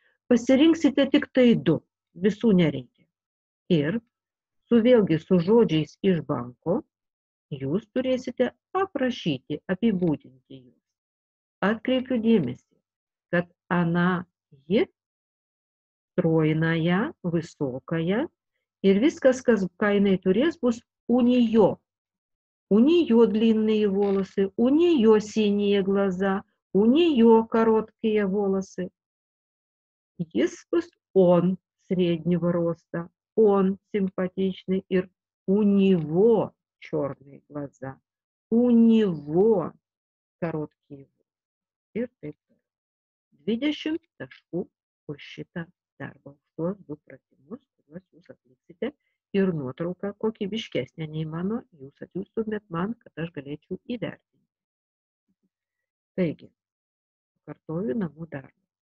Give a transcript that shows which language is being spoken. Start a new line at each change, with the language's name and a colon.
Lithuanian: Pasirinksite tik tai du, visų nereikia. Ir su vėlgi su žodžiais iš banko jūs turėsite aprašyti, apibūdinti juos. Atkreipiu dėmesį, kad ana ji
Russian: стройная, высокая.
Lithuanian: Ir viskas, kas ką jinai turės, bus
Russian: у нее. У нее длинные волосы, у нее синие глаза, у нее короткие волосы.
Lithuanian: Jis bus
Russian: он среднего роста, он симпатичный,
Lithuanian: ir
Russian: у него черные глаза, у него короткие волосы.
Lithuanian: Ir taip. 20 taškų už šitą darbą, už tuos du pratimus, kuriuos jūs atliksite, ir nuotrauką kokybiškesnė nei mano, jūs atsiųstumėt man, kad aš galėčiau įvertinti. Taigi, kartoju namų darbą.